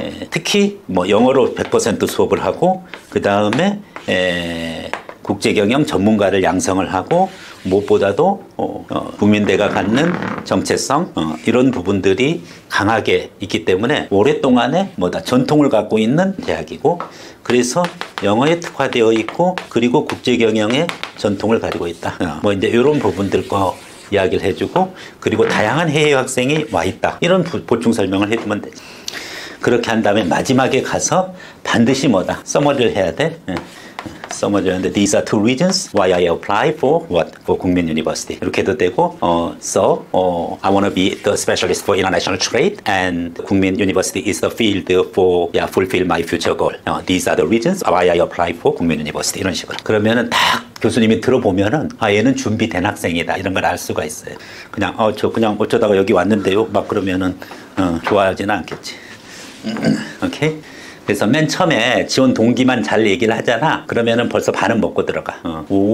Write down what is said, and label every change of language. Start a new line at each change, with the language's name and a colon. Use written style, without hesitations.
Korean: 특히 뭐 영어로 100% 수업을 하고 그 다음에 국제경영 전문가를 양성을 하고 무엇보다도 국민대가 갖는 정체성 이런 부분들이 강하게 있기 때문에 오랫동안에 뭐다 전통을 갖고 있는 대학이고 그래서 영어에 특화되어 있고 그리고 국제경영의 전통을 가지고 있다. 뭐 이제 이런 부분들 거 이야기를 해주고 그리고 다양한 해외 학생이 와 있다 이런 보충 설명을 해주면 되지. 그렇게 한 다음에 마지막에 가서 반드시 뭐다 써머리를 해야 돼. 써머지였는데
English: these are two reasons why I apply for what? For 국민 유니버시티.
Korean: 이렇게 해도 되고
English: I want to be the specialist for international trade and 국민 유니버시티 is the field for fulfill my future goal. These are the reasons why I apply for 국민 유니버시티.
Korean: 이런 식으로. 그러면은 딱 교수님이 들어보면은 얘는 준비된 학생이다. 이런 걸 알 수가 있어요. 그냥 저 그냥 어쩌다가 여기 왔는데요. 막 그러면은 좋아하지는 않겠지. 오케이? 그래서 맨 처음에 지원 동기만 잘 얘기를 하잖아. 그러면은 벌써 반은 먹고 들어가.